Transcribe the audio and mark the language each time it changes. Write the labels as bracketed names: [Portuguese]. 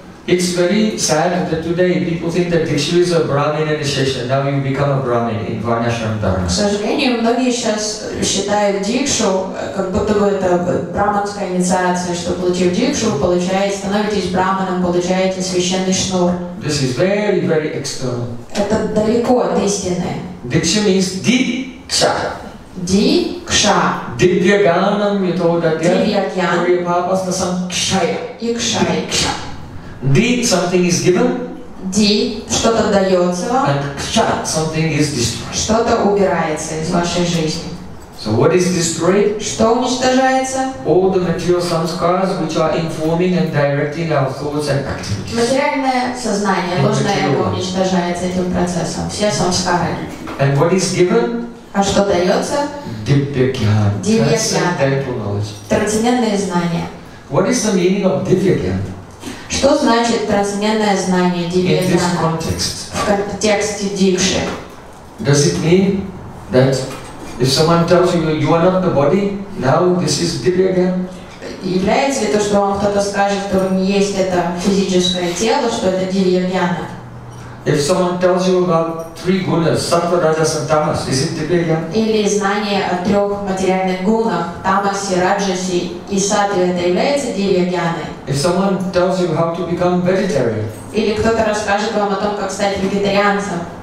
[English] It's very sad that today people think that Diksha is a Brahmin initiation, now you become a Brahmin in Varnashram Dharma. [Russian] К сожалению, многие сейчас считают дикшу, как будто бы это браманская инициация, что получив дикшу, получаете, становитесь браманом, получаете священный шнур. [English] This is very, very external. [Russian] Это далеко от истины. [English] Diksha means Diksha. [Russian] Дикша. [Sanskrit] Divya Gyanam Yato Dadyat. Divya Gyan. Divya Papasta Sam Kshaya. Ikshaya. [English] Diksha. Di something is given. [Russian] Di что-то дается вам. [English] And kcha something is destroyed. [Russian] Что-то убирается из вашей жизни. [English] So what is destroyed? [Russian] Что уничтожается? [English] All the material samskaras which are informing and directing our thoughts and activities. [Russian] Материальное сознание, ложное эго уничтожается этим процессом. Все самскары. [English] And what is given? [Russian] А что дается? [English] Divya Gyan. Transcendental knowledge. [Russian] Трансцендентное знание. What is the meaning of Divya Gyan? Что значит трансцендентное знание, дивья в контексте дикши? [English] Does it mean that if someone tells you you are not the body, now this is dibya gyan? [Russian] Является ли то, что вам кто-то скажет, что вы не есть это физическое тело, что это дивья гьяна? [English] If someone tells you about three gunas, sattva, rajas and tamas, is it dibya gyan? [Russian] Или знание о трех материальных гунах, тамасе, раджасе и сатве, это является дивья гьяной? [English] If someone tells you how to become vegetarian. [Russian] Или кто-то расскажет вам о том, как стать вегетарианцем.